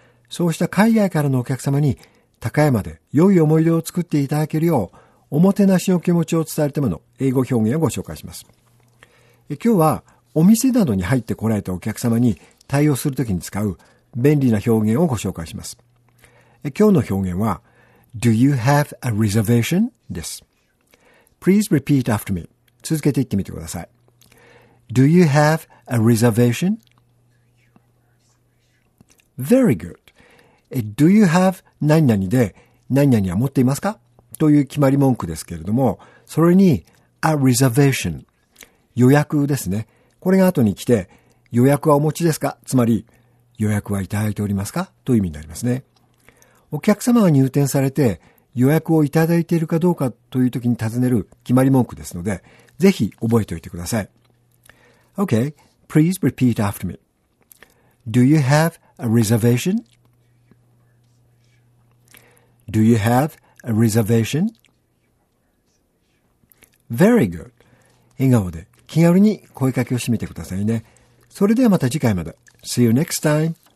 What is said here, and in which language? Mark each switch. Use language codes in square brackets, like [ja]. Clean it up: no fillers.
[ja] そうした海外からのお客様に高山で良い思い出を作っていただけるよう、おもてなしの気持ちを伝えるための英語表現をご紹介します。今日はお店などに入ってこられたお客様に対応するときに使う便利な表現をご紹介します。今日の表現は、 [en] Do you have a reservation? [ja] です。 [en] Please repeat after me. [ja] 続けて言ってみてください。 [en] Do you have a reservation? Very good. Do you have [ja] 何々で何々は持っていますか? という決まり文句ですけれども、それに a reservation 予約ですね。これが後に来て、予約はお持ちですか?つまり、予約はいただいておりますか?という意味になりますね。お客様が入店されて予約をいただいているかどうかという時に尋ねる決まり文句ですので、ぜひ覚えておいてください。 [en] Okay, please repeat after me. Do you have a reservation? Do you have a reservation? Very good. [ja] 笑顔で気軽に声かけをしてみてくださいね。それではまた次回まで。 [en] See you next time.